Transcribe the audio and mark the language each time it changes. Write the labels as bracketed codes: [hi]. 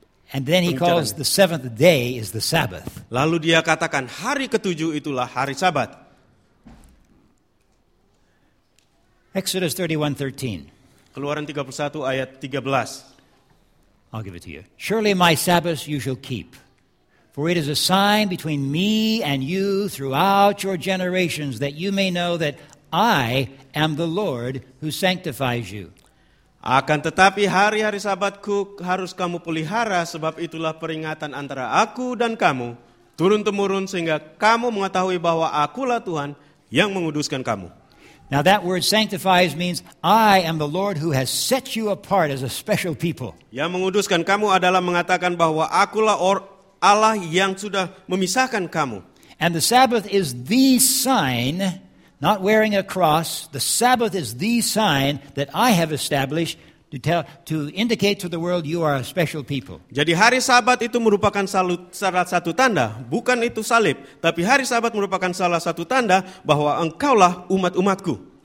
[en] And then he calls the seventh day is the Sabbath. [id] Lalu dia katakan hari ketujuh itulah hari Sabat. [en] Exodus 31:13. [id] Keluaran 31 ayat 13. [en] I'll give it to you. Surely my Sabbath you shall keep. For it is a sign between me and you throughout your generations that you may know that I am the Lord who sanctifies you. [id] Akan tetapi hari-hari Sabatku harus kamu pelihara sebab itulah peringatan antara aku dan kamu turun-temurun sehingga kamu mengetahui bahwa akulah Tuhan yang menguduskan kamu. [en] Now that word sanctifies means I am the Lord who has set you apart as a special people. [id] Yang menguduskan kamu adalah mengatakan bahwa akulah Allah yang sudah memisahkan kamu. [en] And the Sabbath is the sign, not wearing a cross, the Sabbath is the sign that I have established to indicate to the world you are a special people. [id] Jadi hari Sabat itu merupakan salah satu tanda, bukan itu salib, tapi hari Sabat merupakan salah satu tanda bahwa engkaulah umat-umatku.